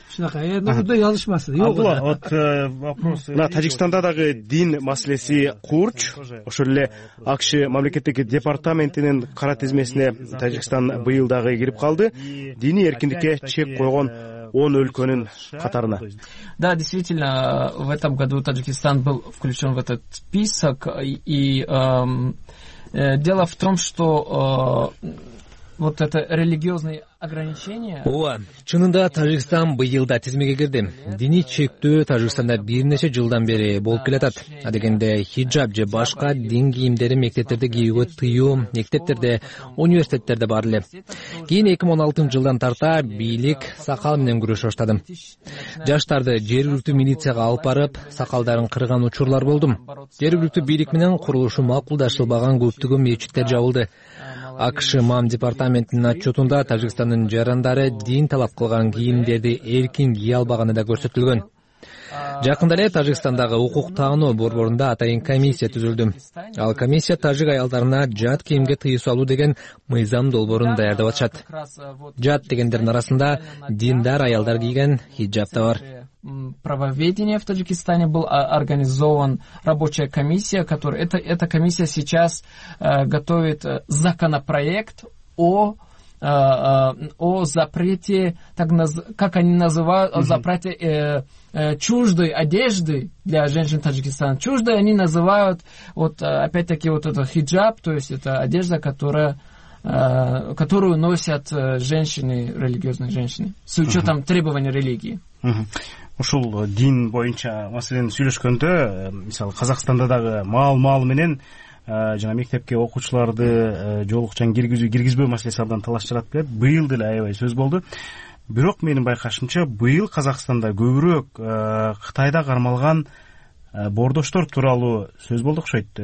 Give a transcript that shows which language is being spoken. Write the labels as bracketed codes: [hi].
[ky] Шунака, эмне күндө жазышмасты? Жок. Бул [ru] вот вопрос. [ky] Мына Тажикстанда дагы дин маселеси курч, ошол эле АКШ мамлекеттик департаментинин кара тизмесине Тажикстан быйыл дагы кирип калды. Дини эркиндикке чек койгон 10 өлкөнүн катарына. [ru] Да, действительно, в этом году Таджикистан был включен в этот список. И дело в том, что вот это религиозные ограничения... [ky] Ооба, чынында Таджикистан быйыл да тизмеге кирди. Дини чектөө Таджикистанда бир нече жылдан бери болуп келатат. Адегенде хиджаб же башка дин кийимдерин мектептерде кийүүгө тыюу, мектептерде, университеттерде бар эле. Кийин 2016 жылдан тарта бийлик сакал менен күрөшө баштадым. Жаштарды жергиликтүү милицияга алып барып, сакалдарын кырган учурлар болдум. Жергиликтүү бийлик менен курулушу макулдашылбаган көптөгөн мечиттер жабылды. АКШ мам департаментинин отчетунда Таджикстандын жарандары дин талап кылган кийимдерди эркин кие албаганы да көрсөтүлгөн. Жакында эле Таджикстандагы укук таануу борборунда атайын комиссия түзүлдү. Ал комиссия тажик аялдарына жат кийимге тыюу салуу деген мыйзам долбоорун даярдап атышат. Жат дегендердин арасында диндар аялдар кийген хиджаб да бар. [ru] Правоведение в Таджикистане был организован рабочая комиссия, которая эта комиссия сейчас готовит законопроект о запрете, как они называют, о запрете чуждой одежды для женщин Таджикистана. Чуждой они называют вот опять-таки вот это хиджаб, то есть это одежда, которую носят женщины, религиозные женщины, с учетом требований религии. [ky] Ушул дин боюнча маселени сүйлөшкөндө, мисалы Казакстанда дагы мал менен жана мектепке окуучуларды жолукчан киргизбөө маселеси абдан талаш жарат деп быйыл деле аябай сөз болду. Бирок менин байкашымча быйыл Казакстанда көбүрөөк Кытайда кармалган бордоштор тууралуу сөз болду окшойт.